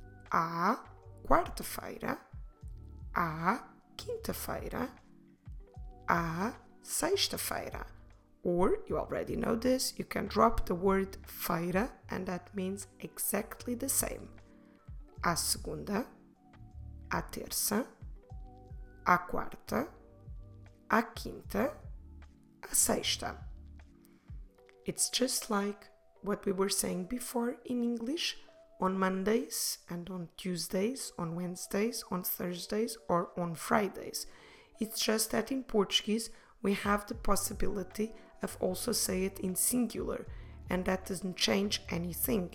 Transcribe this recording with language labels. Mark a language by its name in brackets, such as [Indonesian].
[Portuguese] À quarta-feira. À quinta-feira. À sexta-feira. [English] Or, you already know this, you can drop the word feira and that means exactly the same. [Portuguese] À segunda, à terça, à quarta, à quinta, à sexta. [English] It's just like what we were saying before in English, on Mondays and on Tuesdays, on Wednesdays, on Thursdays or on Fridays. It's just that in Portuguese we have the possibility of also say it in singular, and that doesn't change anything.